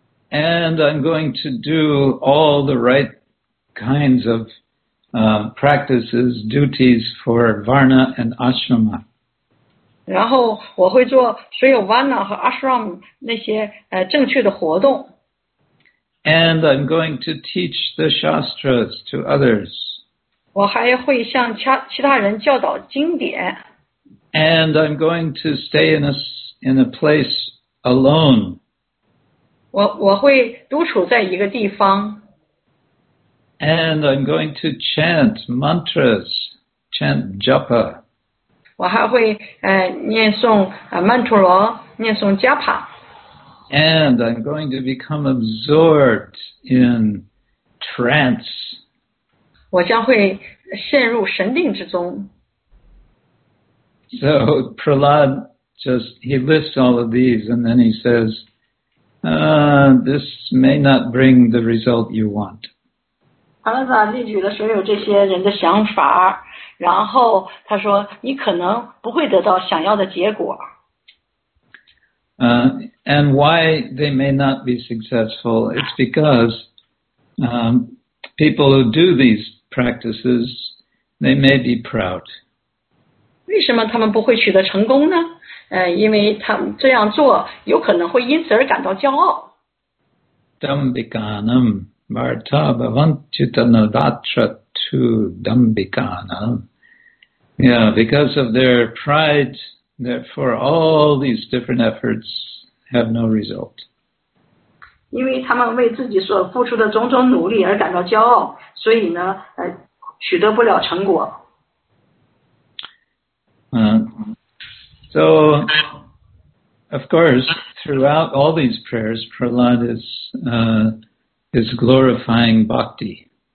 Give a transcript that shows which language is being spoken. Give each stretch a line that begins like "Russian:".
English: And I'm going to do all the right kinds of practices, duties for varna and ashrama.
Chinese: 然后我会做所有 varna 和 ashram 那些正确的活动。
English: And I'm going to teach the shastras to others.
Chinese: 我还会向其他人教导经典。
English: And I'm going to stay in a place alone.
Chinese: 我会独处在一个地方。
English: And I'm going to chant mantras, chant japa.
Chinese: 我还会念诵曼陀罗，念诵加帕。
English: And I'm going to become absorbed in trance.
Chinese: 我将会陷入神定之中。
English: So Prahlad he lists all of these and then he says, this may not bring the result you want.
Chinese: Prahlada 列举了所有这些人的想法，然后他说你可能不会得到想要的结果。
English: And why they may not be successful, it's because people who do these practices, they may be proud.
Chinese: 为什么他们不会取得成功呢？因为他们这样做有可能会因此而感到骄傲。
Sanskrit: Dambikanam Marta Bhavantyutanadatra to Dambikanam.
English: Yeah, because of their pride, therefore all these different efforts have no result.
Chinese: 因为他们为自己所付出的种种努力而感到骄傲，所以呢，取得不了成果。
English: So, of course, throughout all these prayers, Prahlad is glorifying bhakti.